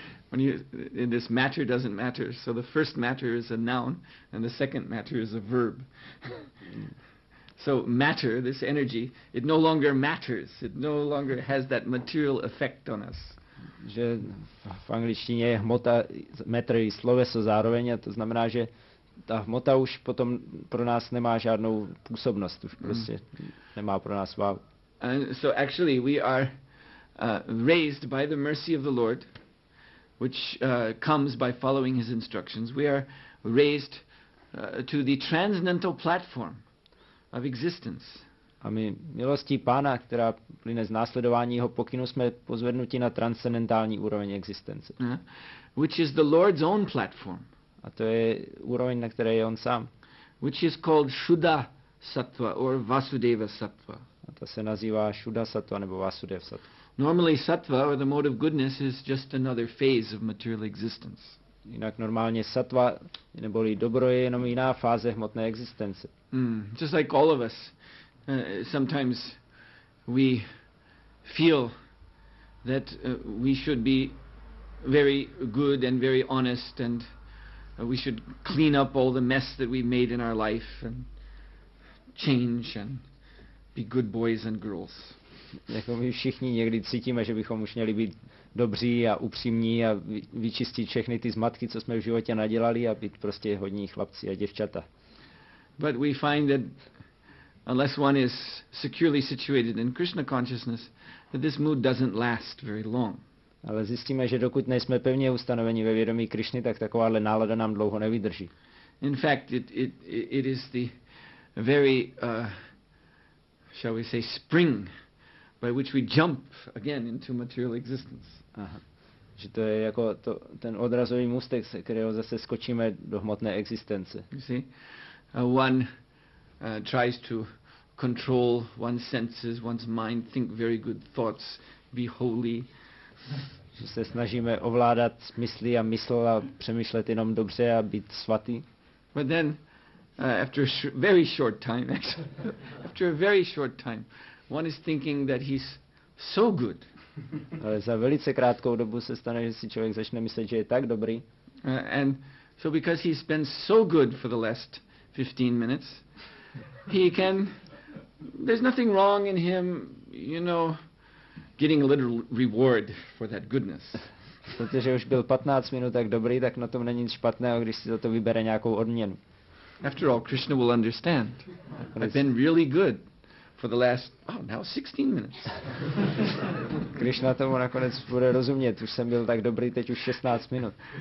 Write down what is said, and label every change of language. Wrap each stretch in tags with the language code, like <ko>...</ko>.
<en>When you, in this matter doesn't matter, so the first matter is a noun and the second matter is a verb. So matter, this energy, it no longer matters. It no longer has that material effect on us.</en> <cs>Že v angličtině je hmota, matter i sloveso zároveň, a to znamená, že ta hmota už potom pro nás nemá žádnou působnost, už prostě nemá pro nás váhu.</cs> <en>And so actually we are raised by the mercy of the Lord, which comes by following his instructions. We are raised to the transcendental platform of existence.</en> <cs>A my milostí pána, která plyne z následování jeho pokynu, jsme pozvednuti na transcendentální úroveň existence.</cs> <en>Which is the Lord's own platform.</en> <cs>A to je úroveň, na které je on sám.</cs> <en>Which is called Shuddha Sattva or Vasudeva Sattva.</en> <cs>A to se nazývá Shuddha Sattva nebo Vasudeva Sattva.</cs> <en>Normally Sattva or the mode of goodness is just another phase of material existence.</en> <cs>Jinak normálně sattva, neboli dobro, je jenom jiná fáze hmotné existence.</cs> <en>Just like all of us, sometimes we feel that we should be very good and very honest, and we should clean up all the mess that we've made in our life and change and be good boys and girls.</en> <cs>Jako my všichni někdy cítíme, že bychom už měli být dobří a upřímní a vyčistit všechny ty zmatky, co jsme v životě nadělali, a být prostě hodní chlapci a děvčata.</cs> <en>But we find that unless one is securely situated in Krishna consciousness, that this mood doesn't last very long.</en> <cs>Ale zjistíme, že dokud nejsme pevně ustanoveni ve vědomí Krishny, tak takováhle nálada nám dlouho nevydrží.</cs> <en>In fact, it is the very shall we say spring by which we jump again into material existence. Aha.</en> <cs>Že to je jako to, ten odrazový můstek, se kterého zase skočíme do hmotné existence.</cs> <en>You see? One tries to control one's senses, one's mind, think very good thoughts, be holy.</en> <cs>Že se snažíme ovládat smysly a mysl a přemýšlet jenom dobře a být svatý.</cs> <en>But then After a very short time, actually. After a very short time, one is thinking that he's so good.</en> <cs>Za velice krátkou dobu se stane, že si člověk začne myslet, že je tak dobrý.</cs> <en>And so because he's been so good for the last 15 minutes, he can, there's nothing wrong in him, you know, getting a little reward for that goodness.</en> <cs>Protože už byl 15 minut tak dobrý, tak na tom není nic špatného, když si za to vybere nějakou odměnu.</cs> <en>After all, Krishna will understand. I've been really good for the last, oh, now 16 minutes.</en> <cs>Krishna tomu nakonec bude rozumět, už jsem byl tak dobrý, teď už 16 minut.</cs>